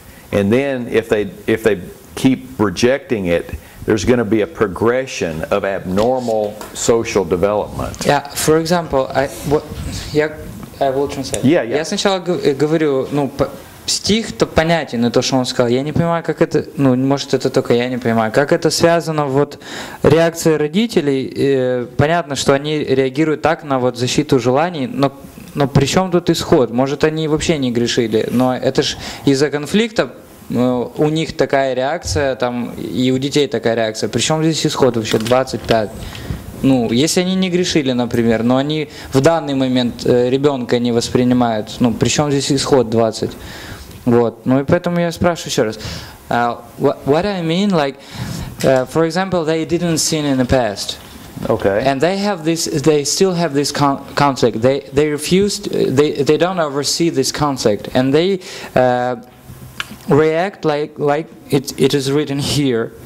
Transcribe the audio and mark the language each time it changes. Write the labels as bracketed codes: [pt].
[en] And then if they keep rejecting it, there's going to be a progression of abnormal social development. Yeah, for example, I will translate. Yeah. [ru] Я сначала говорю, ну, стих то понятен, и то, что он сказал. Я не понимаю, как это, ну, может, это только я не понимаю, как это связано вот реакция родителей. Понятно, что они реагируют так на вот защиту желаний, но при чем тут исход? Может, они вообще не грешили, но это ж из-за конфликта у них такая реакция, там, и у детей такая реакция. При чем здесь исход вообще 25? Ну, если они не грешили, например, но они в данный момент ребенка не воспринимают, ну, при чем здесь исход 20? Вот. Ну, и поэтому я спрашиваю еще раз. [en] What I mean, like, for example, they didn't sin in the past. Okay. And they have this, they still have this conflict. They refused, they don't oversee this conflict. And they react like it is written here.